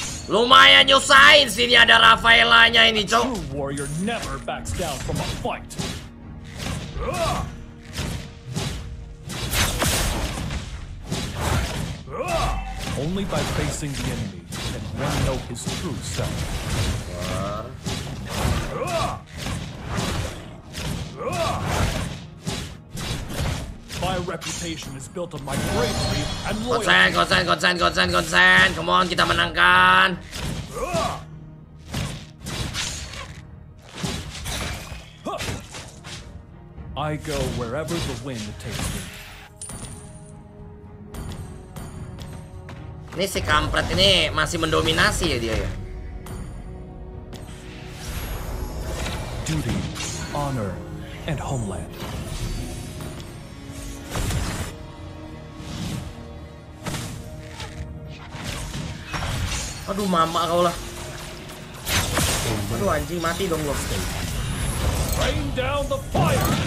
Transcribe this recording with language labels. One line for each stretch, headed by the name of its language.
Indonesian: Lumayan nyusahin sih, ini ada Rafaelanya ini cok.
English: Warrior never backs down from a fight. Only by facing the enemy can one know his true self. My reputation is built on my bravery and loyalty.
Indonesian: Konsen, konsen, konsen, konsen, konsen.
English: Come on,
Indonesian: kita menangkan.
English: I go wherever the wind takes me.
Indonesian: Ini si kampret ini masih mendominasi ya dia ya.
English: Duty, honor, and homeland.
Indonesian: Aduh mama kau lah. Aduh anjing, mati dong lo.
English: Rain down the fire.